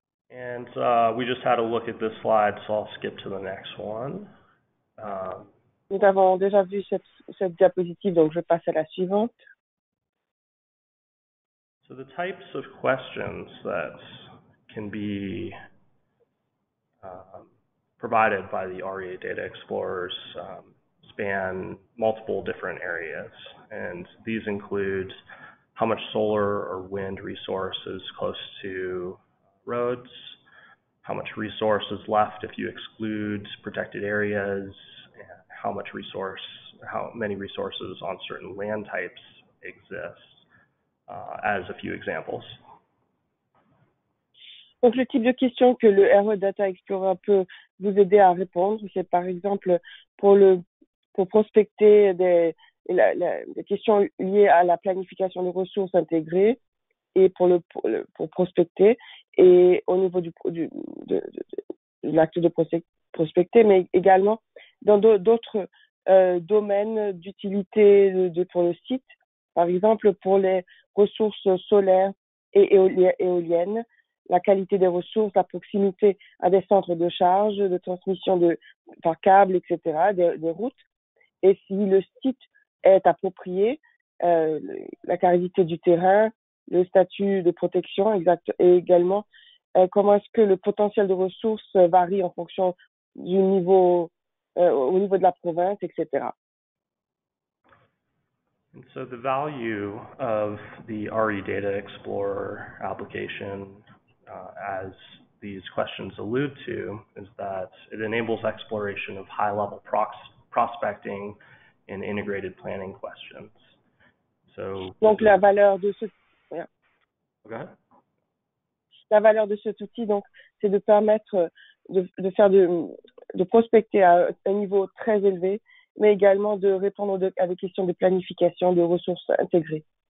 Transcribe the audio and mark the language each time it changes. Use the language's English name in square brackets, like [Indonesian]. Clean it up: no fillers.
[English] And we just had a look at this slide, so I'll skip to the next one. [French] Nous avons déjà vu cette diapositive, donc je passe à la suivante. [English] So the types of questions that can be provided by the REA Data Explorers span multiple different areas, and these include how much solar or wind resource is close to roads, how much resource is left if you exclude protected areas, and how many resources on certain land types exist, as a few examples. [French] Donc, le type de question que le RE Data Explorer peut vous aider à répondre, c'est par exemple pour prospecter des questions liées à la planification de ressources intégrées et pour prospecter et au niveau de l'acte de prospecter, mais également dans d'autres domaines d'utilité pour le site, par exemple pour les ressources solaires et éoliennes, la qualité des ressources, la proximité à des centres de charge, de transmission par câble, etc., des routes. Et si le site est approprié, la qualité du terrain, le statut de protection, exact, et également comment est-ce que le potentiel de ressources varie en fonction du niveau, au niveau de la province, etc. [English] And so the value of the RE Data Explorer application, as these questions allude to, is that it enables exploration of high-level prospecting and integrated planning questions. So, [French] donc la valeur de ce la valeur de cet outil donc c'est de permettre de prospecter à un niveau très élevé, mais également de répondre à des questions de planification de ressources intégrées.